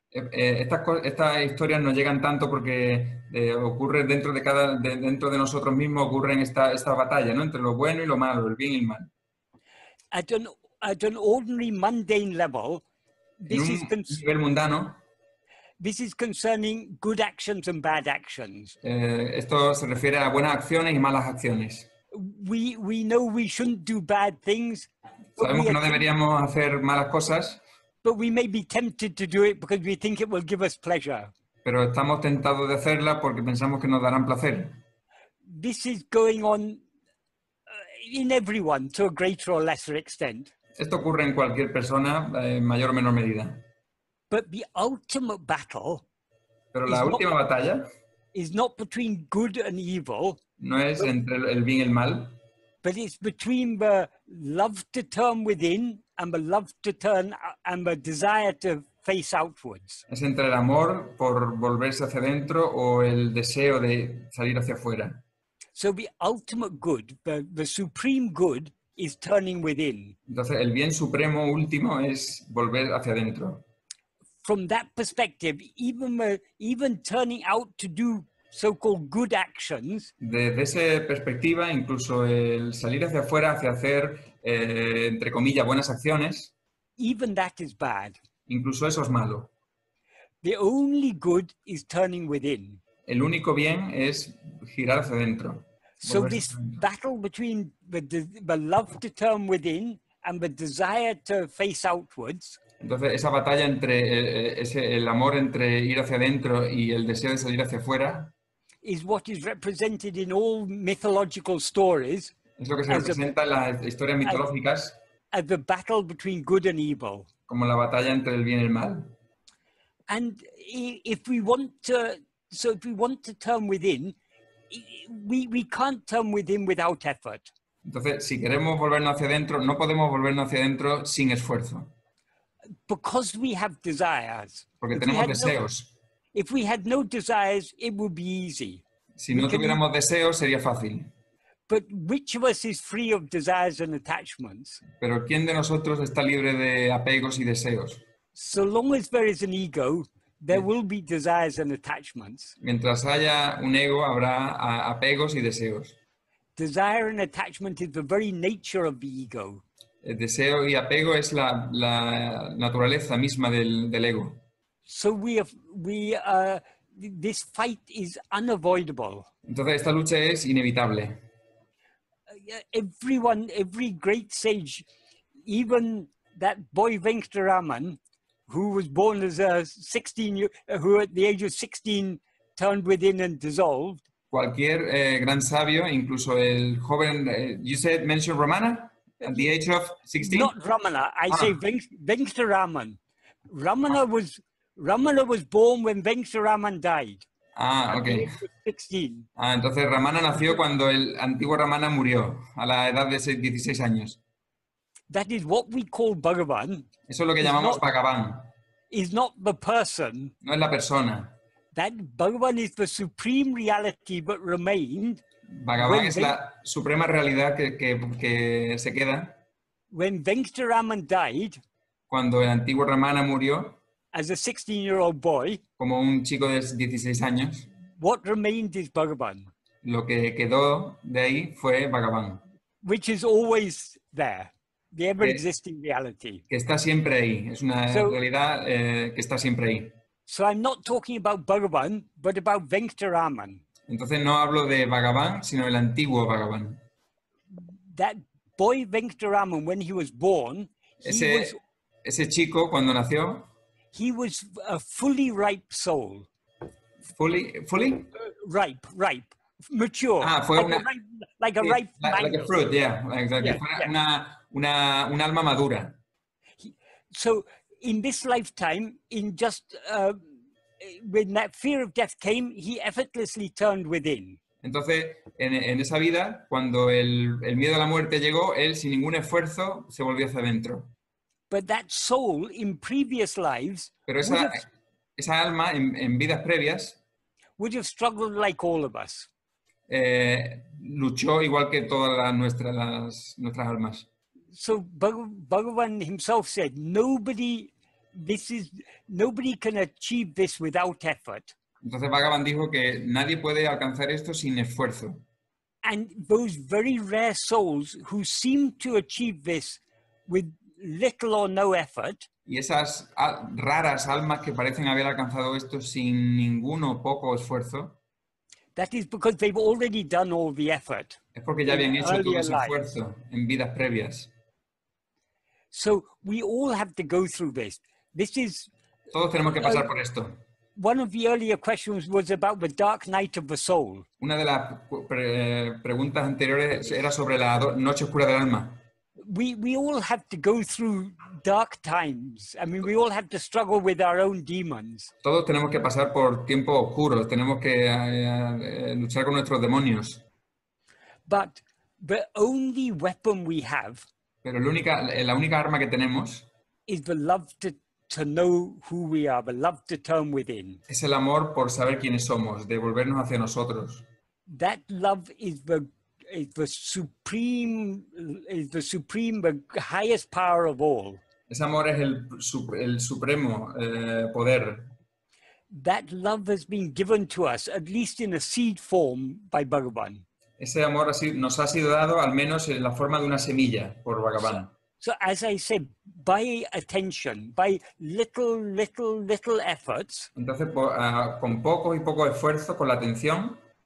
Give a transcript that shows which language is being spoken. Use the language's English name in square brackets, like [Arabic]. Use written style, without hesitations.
[Spanish] Estas historias no llegan tanto porque ocurre dentro de nosotros mismos ocurren esta batalla, ¿no? Entre lo bueno y lo malo, el bien y el mal. [English] At an ordinary mundane level, this is concerning good actions and bad actions. [Spanish] Esto se refiere a buenas acciones y malas acciones. [English] We know we shouldn't do bad things. [Spanish] Sabemos que no deberíamos hacer malas cosas. [English] But we may be tempted to do it because we think it will give us pleasure. [Spanish] Pero estamos tentados de hacerla porque pensamos que nos darán placer. [English] This is going on in everyone to a greater or lesser extent. [Spanish] Esto ocurre en cualquier persona, en mayor o menor medida. [English] But the ultimate battle. [Spanish] Pero la última batalla. [English] Is not between good and evil. [Spanish] No es entre el bien y el mal. [English] But it's between the love to turn within and the love to turn and the desire to face outwards. [Spanish] Es entre el amor por volverse hacia dentro o el deseo de salir hacia afuera. [English] So the ultimate good, the supreme good, is turning within. [Spanish] Entonces el bien supremo último es volver hacia dentro. [English] From that perspective, even turning out to do so-called good actions. [Spanish] Desde esa perspectiva, incluso el salir hacia afuera, hacia hacer entre comillas buenas acciones. [English] Even that is bad. [Spanish] Incluso eso es malo. [English] The only good is turning within. [Spanish] El único bien es girar hacia dentro. [English] So this battle between the love to turn within and the desire to face outwards. [Spanish] Entonces, esa batalla entre el amor entre ir hacia adentro y el deseo de salir hacia afuera [English] is what is represented in all mythological stories. [Spanish] Es lo que se representa en las historias mitológicas. [English] As the battle between good and evil. [Spanish] Como la batalla entre el bien y el mal. [English] And if we want to, so if we want to turn within, we can't turn within without effort. [Spanish] Entonces, si queremos volvernos hacia adentro, no podemos volvernos hacia adentro sin esfuerzo. [English] Because we have desires. [Spanish] Porque tenemos deseos. [English] If we had no desires, it would be easy. [Spanish] Si no tuviéramos deseos, sería fácil. [English] But which of us is free of desires and attachments? [Spanish] Pero ¿quién de nosotros está libre de apegos y deseos? [English] So long as there is an ego, there will be desires and attachments. [Spanish] Mientras haya un ego, habrá apegos y deseos. [English] Desire and attachment is the very nature of the ego. [Spanish] El deseo y apego es la naturaleza misma del ego. [English] So this fight is unavoidable. [Spanish] Entonces esta lucha es inevitable. [English] Every great sage, even that boy Venkata Raman, who was born as a 16 year, who at the age of 16 turned within and dissolved. [Spanish] Cualquier gran sabio, incluso el joven, [English] mentioned Ramana at the age of 16. Not Ramana, say Venkata Raman. Ramana was born when Venkata Raman died. Ah, okay. 16. [Spanish] Ah, entonces Ramana nació cuando el antiguo Ramana murió a la edad de 16 años. [English] That is what we call Bhagavan. [Spanish] Eso es lo que llamamos Bhagavan. [English] Is not the person. [Spanish] No es la persona. [English] That Bhagavan is the supreme reality, but remained. [Spanish] Bhagavan es la suprema realidad que se queda. [English] When Venkata Raman died. [Spanish] Cuando el antiguo Ramana murió. [English] As a 16-year-old boy, [Spanish] como un chico de 16 años, [English] what remained is Bhagavan. [Spanish] Lo que quedó de ahí fue Bhagavan. [English] Which is always there, the ever-existing reality. [Spanish] Que está siempre ahí, es una realidad que está siempre ahí. [English] So I'm not talking about Bhagavan, but about Venkata Raman. [Spanish] Entonces no hablo de Bhagavan, sino el antiguo Bhagavan. [English] That boy Venkata Raman, when he was born, [Spanish] ese chico cuando nació. [English] He was a fully ripe soul. Fully? Ripe. Mature. [Spanish] Ah, fue [English] like [Spanish] una... [English] Ripe mango. Like a fruit, yeah. Exactly. Yeah, yeah. [Spanish] Una alma madura. [English] So, in this lifetime, in just... when that fear of death came, he effortlessly turned within. [Spanish] Entonces, en esa vida, cuando el miedo a la muerte llegó, él, sin ningún esfuerzo, se volvió hacia adentro. [English] But that soul in previous lives, [Spanish] pero esa alma en vidas previas, [English] would have struggled like all of us. [Spanish] Luchó igual que todas nuestras almas. [English] So Bhagavan himself said, nobody can achieve this without effort. [Spanish] Entonces Bhagavan dijo que nadie puede alcanzar esto sin esfuerzo. [English] And those very rare souls who seem to achieve this with little or no effort. [Spanish] Y esas raras almas que parecen haber alcanzado esto sin ninguno poco esfuerzo. [English] That is because they've already done all the effort. [Spanish] Es porque ya habían hecho todo ese esfuerzo en vidas previas. [English] So we all have to go through this. This is. [Spanish] Todos tenemos que pasar por esto. [English] One of the earlier questions was about the dark night of the soul. [Spanish] Una de las preguntas anteriores era sobre la noche oscura del alma. [English] We all have to go through dark times. I mean, we all have to struggle with our own demons. [Spanish] Todos tenemos que pasar por tiempos oscuros. Tenemos que luchar con nuestros demonios. [English] But the only weapon we have. [Spanish] Pero la única arma que tenemos [English] is the love to know who we are. The love to turn within. [Spanish] Es el amor por saber quiénes somos, de volvernos hacia nosotros. [English] That love is the supreme, the highest power of all. [Spanish] Ese amor es el supremo poder. [English] That love has been given to us, at least in a seed form, by Bhagavan. [Spanish] Ese amor nos ha sido dado, al menos en la forma de una semilla, por Bhagavan. [English] So as I said, by attention, by little efforts. [Spanish] Entonces, con poco y poco esfuerzo, con la atención.